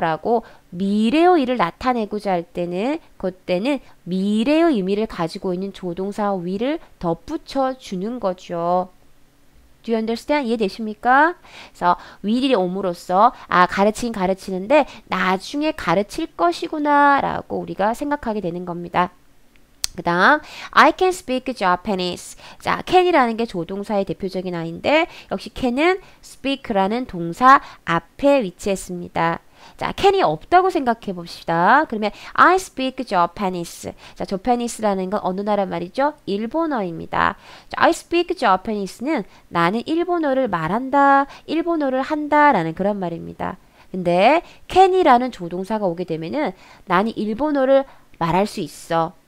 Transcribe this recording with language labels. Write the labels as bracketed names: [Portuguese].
[Korean] 라고, 미래의 일을 나타내고자 할 때는, 그때는 미래의 의미를 가지고 있는 조동사 will을 덧붙여 주는 거죠. [English] Do you understand? [Korean] 이해되십니까? 그래서 will이 옴으로써 아 가르친 가르치는데 나중에 가르칠 것이구나라고 우리가 생각하게 되는 겁니다. 그다음 [English] I can speak Japanese. [Korean] 자, can이라는 게 조동사의 대표적인 아인데 역시 can은 speak라는 동사 앞에 위치했습니다. 자, can이 없다고 생각해 봅시다. 그러면 [English] I speak Japanese. [Korean] 자, Japanese라는 건 어느 나라 말이죠? 일본어입니다. 자, [English] I speak Japanese [Korean] 는 나는 일본어를 말한다, 일본어를 한다라는 그런 말입니다. 근데 can이라는 조동사가 오게 되면은 나는 일본어를 말할 수 있어.